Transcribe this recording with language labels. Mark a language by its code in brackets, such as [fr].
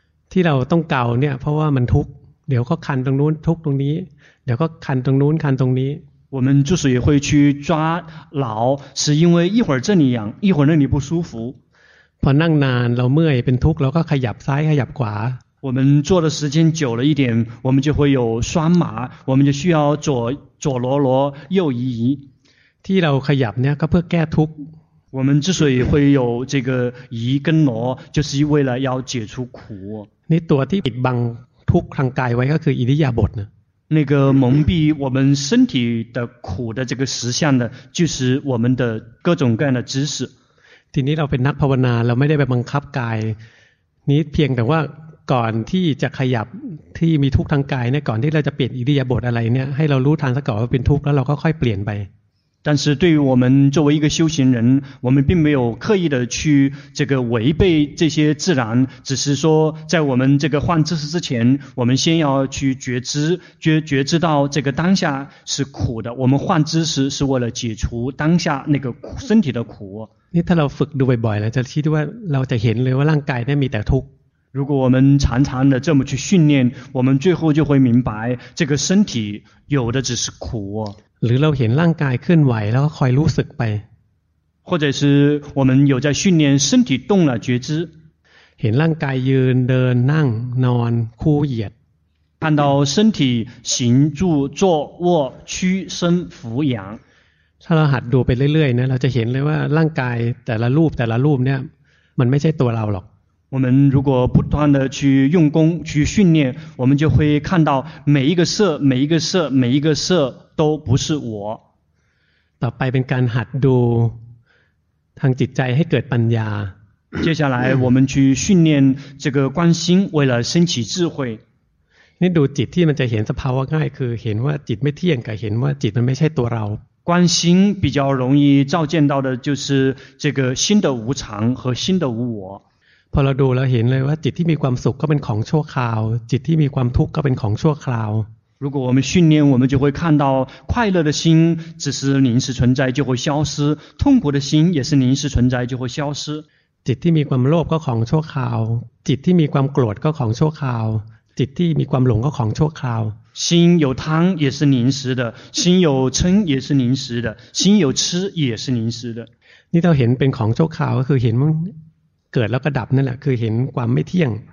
[th] ที่เราต้องเกาเนี่ยเพราะว่ามันทุกข์เดี๋ยวก็คันตรงนู้นทุกข์ตรงนี้เดี๋ยวก็คันตรงนู้นคันตรงนี้ [zh] 我们之所以会去抓挠是因为一会儿这里痒一会儿那里不舒服 [th] พอนั่งนานเราเมื่อยเป็นทุกข์เราก็ขยับซ้ายขยับขวา [zh] 我们坐的时间久了一点我们就会有酸麻我们就需要左左挪挪右移移 [th] ที่เราขยับเนี่ยก็เพื่อแก้ทุกข์ [zh] 我们之所以会有这个移跟挪就是为了要解除苦 [th] นี่ตัวที่ปิดบังทุกข์ทางกายไว้ก็คืออิริยาบถนะ [zh] 那个蒙蔽我们身体的苦的这个实相的就是我们的各种各样的知识 [th] ทีนี้เราเป็นนักภาวนาเราไม่ได้ไปบังคับกายนี้เพียงแต่ว่าก่อนที่จะขยับที่มีทุกข์ทางกายเนี่ยก่อนที่เราจะเปลี่ยนอิริยาบถอะไรเนี่ยให้เรารู้ทันซะก่อนว่าเป็นทุกข์แล้วเราก็ค่อยเปลี่ยนไป [zh] 但是对于我们作为一个修行人我们并没有刻意的去这个违背这些自然只是说在我们这个换知识之前我们先要去觉知 觉知到这个当下是苦的我们换知识是为了解除当下那个身体的苦 [th] 你ถ้าเราฝึกดูบ่อยๆแล้วจะคิดว่าเราจะเห็นเลยว่าร่างกายนี่มีแต่ทุกข์ [zh] 如果我们常常的这么去训练我们最后就会明白这个身体有的只是苦 [th] หรือเราเห็นร่างกายเคลื่อนไหวแล้วก็คอยรู้สึกไป [zh] 或者是我们有在训练身体动了觉知 [th] เห็นร่างกายยืนเดินนั่งนอนคู่เหยียด [zh] 看到身体行住坐卧屈伸俯仰 [th] ถ้าเราหัดดูไปเรื่อยๆนะเราจะเห็นเลยว่าร่างกายแต่ละรูปแต่ละรูปเนี่ยมันไม่ใช่ตัวเราหรอก [zh] 我们如果不断的去用功去训练我们就会看到每一个色每一个色每一个色都不是我 [th] ต่อไปเป็นการหัดดูทางจิตใจให้เกิดปัญญา [zh] 接下来我们去训练这个观心为了升起智慧 [th] นี่ดูจิตที่มันจะเห็นสภาวะง่ายคือเห็นว่าจิตไม่เที่ยงกับเห็นว่าจิตมันไม่ใช่ตัวเรา [zh] 观心比较容易照见到的就是这个心的无常和心的无我 [th] พอเราดูเราเห็นเลยว่าจิตที่มีความสุขก็เป็นของชั่วคราวจิตที่มีความทุกข์ก็เป็นของชั่วคราว [zh] 如果我们训练我们就会看到快乐的心只是临时存在就会消失痛苦的心也是临时存在就会消失 [th] จิตที่มีความโลภก็ของชั่วคราวจิตที่มีความโกรธก็ของชั่วคราวจิตที่มีความหลงก็ของชั่วคราว [zh] 心有贪也是临时的心有嗔也是临时的心有痴也是临时的 [th] นี่เราเห็นเป็นของชั่วคราวก็คือเห็นมันเกิดแล้วก็ดับนั่นแหละคือเห็นความไม่เที่ยง